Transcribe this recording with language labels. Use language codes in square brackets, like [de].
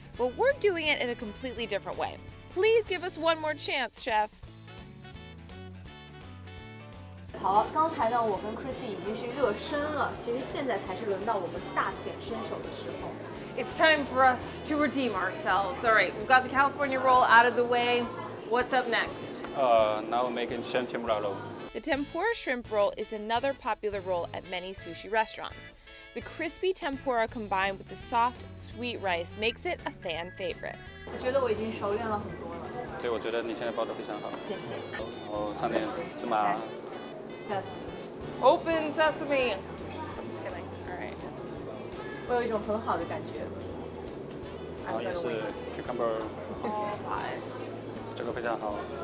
[en] But we're doing it in a completely different way. Please give us one more chance, Chef. [zh] 好，刚才呢，我跟 Chrissy 已经是热身了，其实现在才是轮到我们大显身手的时候。 [en] It's time for us to redeem ourselves. All right, we've got the California roll out of the way. What's up next? Now we're making shrimp tempura roll. The tempura shrimp roll is another popular roll at many sushi restaurants. The crispy tempura combined with the soft, sweet rice makes it a fan favorite. [zh] 我觉得我已经熟练了很多了。对，我觉得你现在包得非常好。谢谢。然后上面芝麻。 [en] Sesame. Open sesame. Just kidding. All right. [zh] 我有一种很好的感觉。然后也是 cucumber。这个非常好。